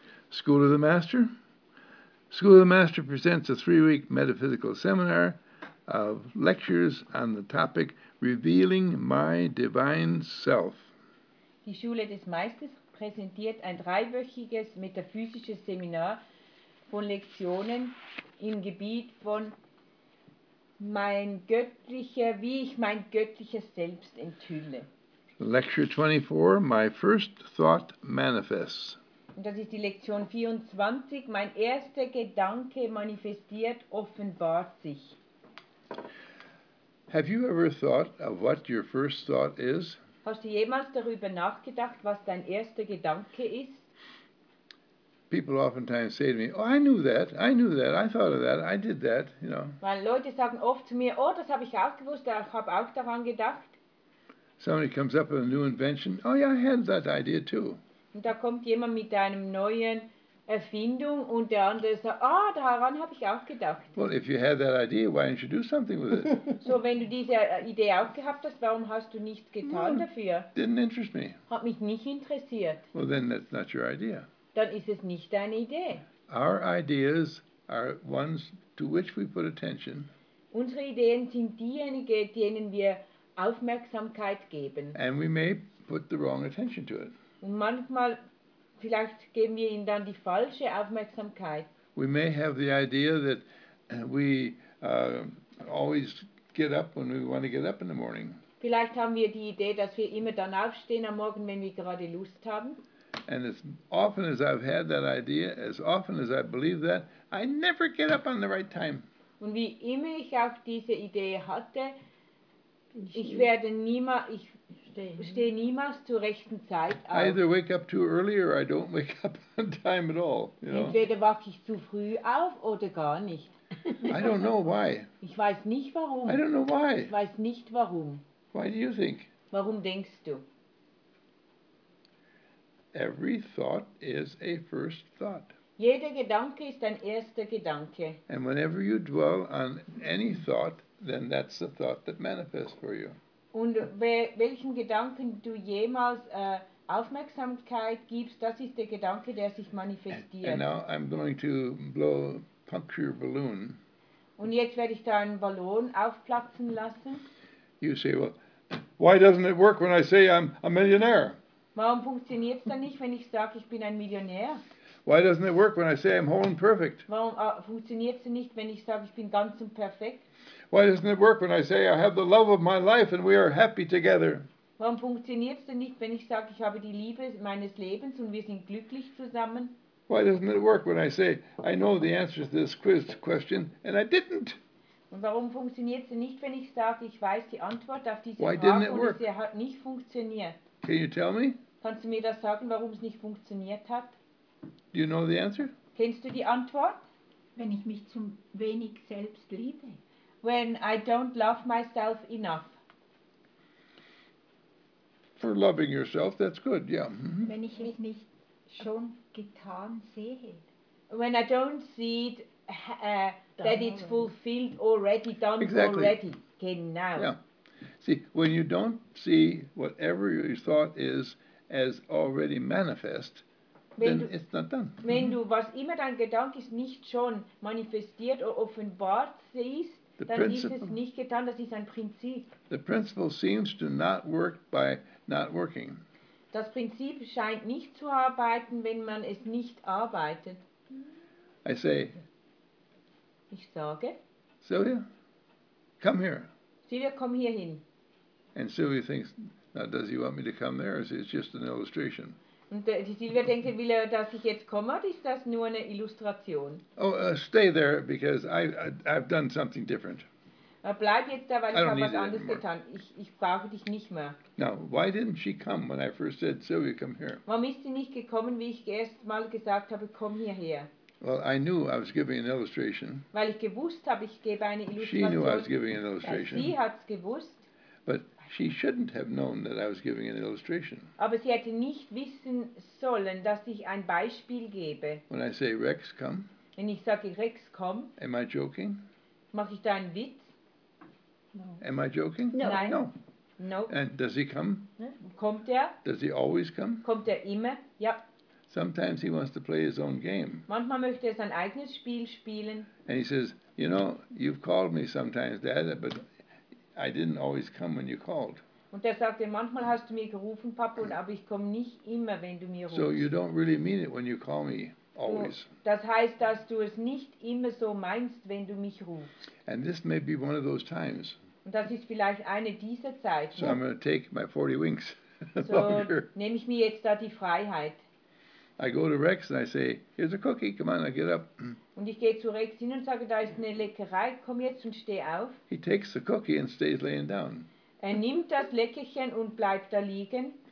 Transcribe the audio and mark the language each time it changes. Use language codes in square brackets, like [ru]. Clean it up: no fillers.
[en] School of the Master presents a three-week metaphysical seminar of lectures on the topic Revealing My Divine Self. [de] Die Schule des Meisters präsentiert ein dreiwöchiges metaphysisches Seminar von Lektionen im Gebiet von wie ich mein göttliches Selbst enthülle. [en] Lecture 24, My First Thought Manifests. [de] Und das ist die Lektion 24, mein erster Gedanke manifestiert, offenbart sich. [en] Have you ever thought of what your first thought is? [de] Hast du jemals darüber nachgedacht, was dein erster Gedanke ist? [en] People oftentimes say to me, oh, I knew that, I thought of that, I did that, you know. [de] Weil Leute sagen oft zu mir, oh, das habe ich auch gewusst, ich habe auch daran gedacht. [en] Somebody comes up with a new invention, oh yeah, I had that idea too. [de] Und da kommt jemand mit einem neuen Erfindung und der andere sagt, ah, oh, daran habe ich auch gedacht. [en] Well, if you had that idea, why didn't you do something with it? [de] So, wenn du diese Idee auch gehabt hast, warum hast du nichts getan dafür? [en] Didn't interest me. [de] Hat mich nicht interessiert. [en] Well, then that's not your idea. [de] Dann ist es nicht deine Idee. [en] Our ideas are ones to which we put attention. [de] Unsere Ideen sind diejenigen, denen wir Aufmerksamkeit geben. [en] And we may put the wrong attention to it. [de] Und manchmal vielleicht geben wir ihnen dann die falsche Aufmerksamkeit. [en] We may have the idea that we always get up when we want to get up in the morning. [de] Vielleicht haben wir die Idee, dass wir immer dann aufstehen am Morgen, wenn wir gerade Lust haben. [en] And as often as I've had that idea, as often as I believe that, I never get up on the right time. [de] Und wie immer ich auch diese Idee hatte, ich stehe niemals zur rechten Zeit auf. [en] Either wake up too early or I don't wake up on time at all. You know? [de] Entweder wache ich zu früh auf oder gar nicht. [en] I don't know why. [de] Ich weiß nicht warum. [en] I don't know why. [de] Ich weiß nicht warum. [en] Why do you think? [de] Warum denkst du? [en] Every thought is a first thought. [de] Jeder Gedanke ist ein erster Gedanke. [en] And whenever you dwell on any thought, then that's the thought that manifests for you. [de] Und welchen Gedanken du jemals Aufmerksamkeit gibst, das ist der Gedanke, der sich manifestiert. [en] And now I'm going to puncture your balloon. [de] Und jetzt werde ich da einen Ballon aufplatzen lassen. [en] You say, well, why doesn't it work when I say I'm a millionaire? [de] Warum funktioniert es dann nicht, wenn ich sage, ich bin ein Millionär? [en] Why doesn't it work when I say I'm whole and perfect? [de] Warum funktioniert es nicht, wenn ich sage, ich bin ganz und perfekt? [en] Why doesn't it work when I say I have the love of my life and we are happy together? [de] Warum funktioniert es nicht, wenn ich sage, ich habe die Liebe meines Lebens und wir sind glücklich zusammen? [en] Why doesn't it work when I say I know the answer to this quiz question and I didn't? [de] Und warum funktioniert es nicht, wenn ich sage, ich weiß die Antwort auf diese Frage und sie hat nicht funktioniert? [en] Can you tell me? [de] Kannst du mir das sagen, warum es nicht funktioniert hat? [en] Do you know the answer? [de] Kennst du die Antwort? Wenn ich mich zu wenig selbst liebe. [en] When I don't love myself enough. For loving yourself, that's good, yeah. Mm-hmm. [de] Wenn ich es nicht schon getan sehe. [en] When I don't see it, that it's fulfilled already, done exactly. Already. [de] Genau. [en] Yeah. See, when you don't see whatever your thought is as already manifest, [de] wenn [en] then it's not done. [de] Wenn du was immer dein Gedanke ist nicht schon manifestiert oder offenbart siehst, dann ist es nicht getan. Das ist ein Prinzip. [en] The principle seems to not work by not working. [de] Das Prinzip scheint nicht zu arbeiten, wenn man es nicht arbeitet. [en] I say. [de] Ich sage. [en] Sylvia, come here. [de] Sylvia, komm hier hin. [en] And Sylvia thinks, now does he want me to come there, or is it just an illustration? [de] Und Sylvia denkt, will er, dass ich jetzt komme, oder ist das nur eine Illustration? [en] Oh, stay there, because I've done something different. [de] Bleib jetzt da, weil ich habe was anderes getan. Ich brauche dich nicht mehr. [en] Now, why didn't she come when I first said, Sylvia, come here? [de] Warum ist sie nicht gekommen, wie ich erst mal gesagt habe, komm hierher? [en] Well, I knew I was giving an illustration. [de] Weil ich gewusst habe, ich gebe eine Illustration. [en] She knew I was giving an illustration. [de] Sie hat's gewusst. [en] But she shouldn't have known that I was giving an illustration. [de] Aber sie hätte nicht wissen sollen, dass ich ein Beispiel gebe. [en] When I say Rex, come. [de] Wenn ich sage, Rex, komm. [en] Am I joking? [de] Mache ich da einen Witz? [en] No. Am I joking? No. [de] Nein. [en] No. No. And does he come? [de] Kommt er? [en] Does he always come? [de] Kommt er immer? Ja. [en] Sometimes he wants to play his own game. [de] Manchmal möchte er sein eigenes Spiel spielen. [en] And he says, you know, you've called me sometimes, Dad, but I didn't always come when you called. [de] Und er sagte, manchmal hast du mir gerufen, Papa, aber ich komme nicht immer, wenn du mir rufst. [en] So you don't really mean it when you call me, always. [de] Das heißt, dass du es nicht immer so meinst, wenn du mich rufst. [en] And this may be one of those times. [de] Und das ist vielleicht eine dieser Zeiten. [en] So I'm going to take my 40 winks longer. [de] So nehme ich mir jetzt da die Freiheit. [en] I go to Rex and I say, here's a cookie, come on, I get up. [de] Und ich gehe zu Rex hin und sage, da ist eine Leckerei, komm jetzt und steh auf. [en] He takes the cookie and stays laying down. [de] Er nimmt das Leckerchen und bleibt da liegen.